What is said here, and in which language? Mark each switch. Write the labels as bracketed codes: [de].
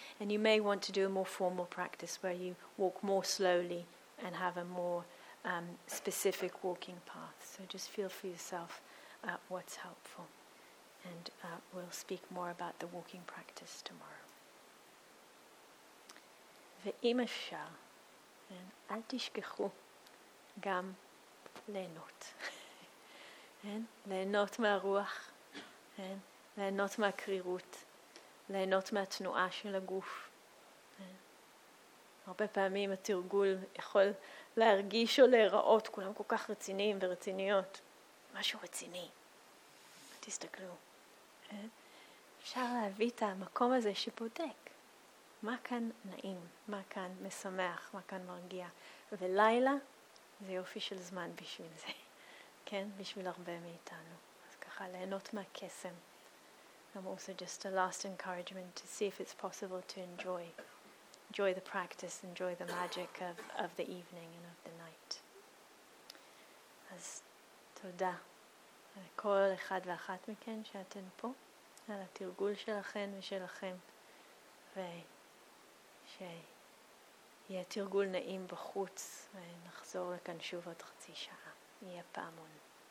[en] And you may want to do a more formal practice where you walk more slowly and have a more specific walking path. So just feel for yourself what's helpful. And we'll speak more about the walking practice tomorrow. [he] ואם אפשר, כן, אל תשכחו גם ליהנות. כן, ליהנות מהרוח, כן, ליהנות מהקרירות, ליהנות מהתנועה של הגוף. כן. הרבה פעמים התרגול יכול להרגיש או להיראות, כולם כל כך רציניים ורציניות. משהו רציני. תסתכלו. כן. אפשר להביא את המקום הזה שבודק. מה כאן נעים, מה כאן משמח, מה כאן מרגיע. ולילה זה יופי של זמן בשביל זה, כן? בשביל הרבה מאיתנו. אז ככה, ליהנות מהקסם. [en] I'm also just a last encouragement to see if it's possible to enjoy the practice, enjoy the magic of the evening and of the night. [he] אז תודה לכל אחד ואחת מכן שאתן פה, על התרגול שלכן ושלכם, ו... שיהיה תרגול נעים בחוץ, ונחזור לכאן שוב עוד חצי שעה. יהיה פעמון.